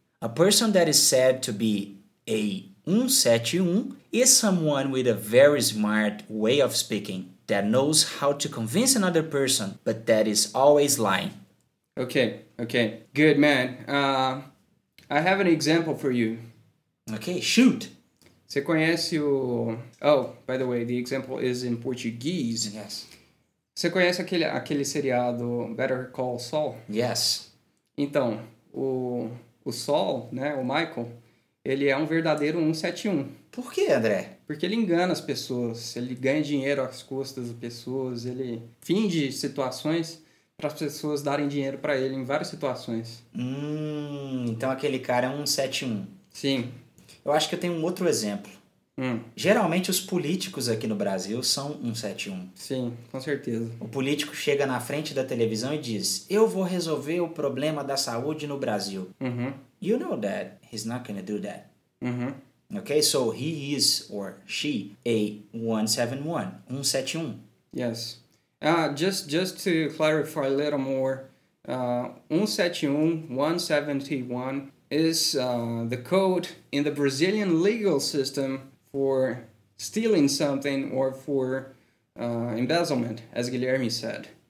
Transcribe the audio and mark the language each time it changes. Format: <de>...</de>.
<en>A person that is said to be a 171 is someone with a very smart way of speaking that knows how to convince another person, but that is always lying. Okay, good man. I have an example for you. Okay, shoot!</en> <pt>Você conhece o...</pt> <en>Oh, by the way, the example is in Portuguese. Yes.</en> <pt>Você conhece aquele seriado Better Call Saul?</pt> <en>Yes.</en> <pt>Então, o Saul, né, o Michael, ele é um verdadeiro 171. Por quê, André? Porque ele engana as pessoas, ele ganha dinheiro às custas das pessoas, ele finge situações para as pessoas darem dinheiro para ele em várias situações. Então aquele cara é 171. Sim. Eu acho que eu tenho um outro exemplo. Geralmente os políticos aqui no Brasil são 171. Sim, com certeza. O político chega na frente da televisão e diz: eu vou resolver o problema da saúde no Brasil. Uhum.</pt> <en>You know that he's not gonna do that. Uhum. Okay, so he is or she a 171. 171. Yes. Just to clarify a little more, 171 is the code in the Brazilian legal system for stealing something or for embezzlement, as Guilherme said.</en>